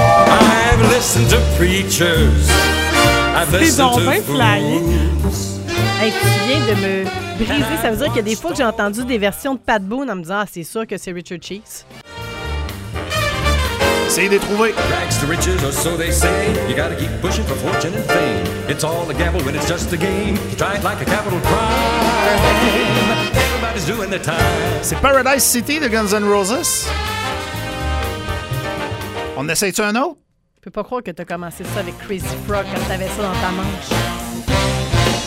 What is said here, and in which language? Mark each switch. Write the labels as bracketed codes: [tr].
[en] I've listened to preachers. I've listened to fools. Hey, [fr] tu viens de me briser. Ça veut dire qu'il y a des fois que j'ai entendu des versions de Pat Boone en me disant « Ah, c'est sûr que c'est Richard Cheese. » Essayez de trouver. [en] Rags to riches, or so they say. You gotta keep pushing for fortune and fame. It's all a gamble when it's just a game. Try it like a capital crime. Everybody's doing their time. [fr] C'est Paradise City de Guns N' Roses. On essaie-tu un autre? Je peux pas croire que t'as commencé ça avec Crazy Frog quand t'avais ça dans ta manche.